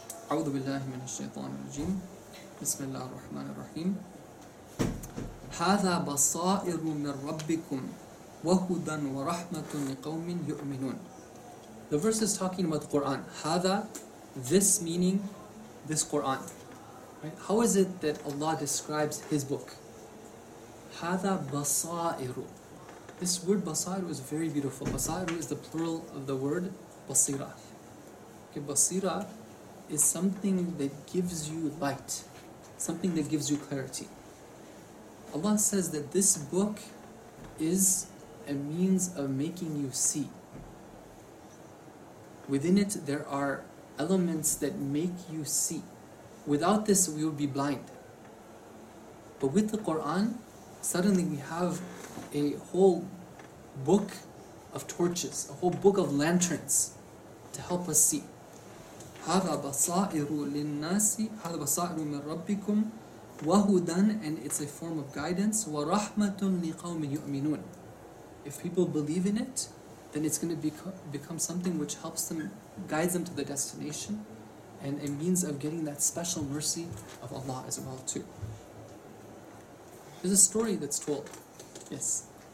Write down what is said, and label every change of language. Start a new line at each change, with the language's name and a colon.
Arabic: أعوذ بالله من الشيطان الرجيم بسم الله الرحمن الرحيم هذا بصائر من ربكم وهدى ورحمة لقوم يؤمنون.
English: The verse is talking about the Quran. هذا, this meaning, this Quran. Right? How is it that Allah describes His book?
Arabic: هذا بصائر.
English: This word basairu is very beautiful. Basairu is the plural of the word basira. Okay, basira is something that gives you light, something that gives you clarity. Allah says that this book is a means of making you see. Within it, there are elements that make you see. Without this, we would be blind. But with the Quran, suddenly we have a whole book of torches, a whole book of lanterns to help us see.
Arabic: هذا بصائر للناس هذا بصائر من ربكم وهدى,
English: and it's a form of guidance,
Arabic: ورحمة لقوم يؤمنون.
English: If people believe in it, then it's going to become something which helps them, guides them to the destination, and a means of getting that special mercy of Allah as well too. There's a story that's told. Yes.